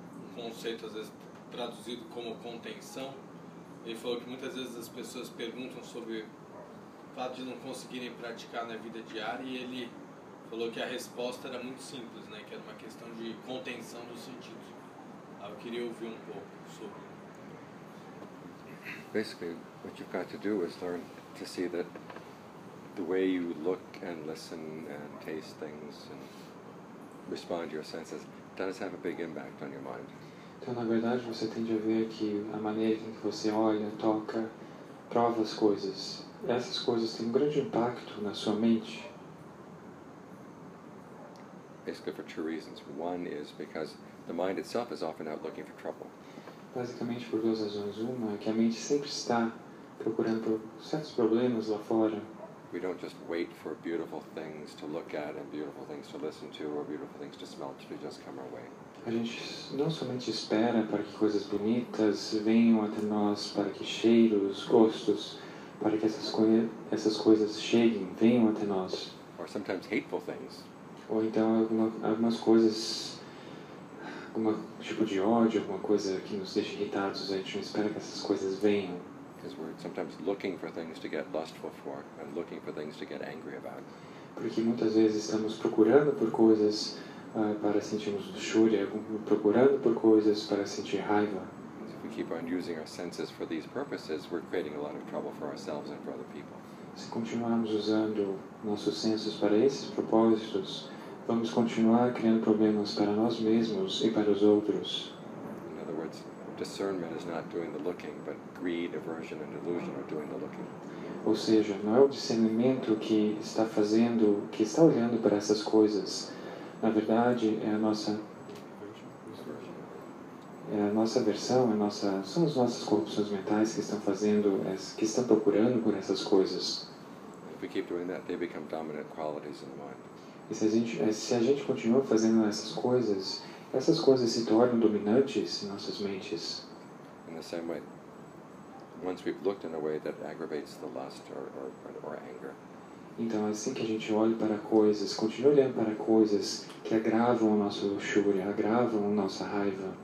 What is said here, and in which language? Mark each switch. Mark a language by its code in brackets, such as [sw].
[pt] O conceito às vezes traduzido como contenção. Ele falou que muitas vezes as pessoas perguntam sobre o fato de não conseguirem praticar na vida diária e ele falou que a resposta era muito simples, né? Que era uma questão de contenção dos sentidos. Eu queria ouvir um pouco sobre. [en] Basically, what you've got to do is learn to see that the way you look and listen and taste things and respond to your senses does have a big impact on your mind. [pt] Então, na verdade, você tende a ver que a maneira em que você olha, toca, prova as coisas, essas coisas têm um grande impacto na sua mente. [en] Basically, for two reasons. One is because the mind itself is often out looking for trouble. [pt] Basicamente, por duas razões. Uma é que a mente sempre está procurando certos problemas lá fora. [en] We don't just wait for beautiful things to look at and beautiful things to listen to or beautiful things to smell to just come our way. [pt] A gente não somente espera para que coisas bonitas venham até nós, para que cheiros, gostos, para que essas coisas cheguem, venham até nós. [en] Or sometimes hateful things. [pt] Ou então algumas coisas, algum tipo de ódio, alguma coisa que nos deixa irritados, a gente não espera que essas coisas venham. [en] Because we're sometimes looking for things to get lustful for and looking for things to get angry about. [pt] Porque muitas vezes estamos procurando por coisas para sentirmos luxúria, procurando por coisas para sentir raiva. [en] So if we keep on using our senses for these purposes, we're creating a lot of trouble for ourselves and for other people. [pt] Se continuarmos usando nossos senses para esses propósitos, vamos continuar criando problemas para nós mesmos e para os outros. [en] In other words, discernment is not doing the looking, but greed, aversion, and delusion are doing the looking. [pt] Ou seja, não é o discernimento que está fazendo, que está olhando para essas coisas. Na verdade, é a nossa. É a nossa aversão, é a nossa. São as nossas corrupções mentais que estão fazendo, que estão procurando por essas coisas. [en] If we keep doing that, they become dominant qualities in the mind. [pt] E se a gente continua fazendo essas coisas, essas coisas se tornam dominantes em nossas mentes. [en] In the same way, once we've looked in a way that aggravates the lust or anger. [pt] Então, assim que a gente olha para coisas, continua olhando para coisas que agravam a nossa luxúria, agravam a nossa raiva.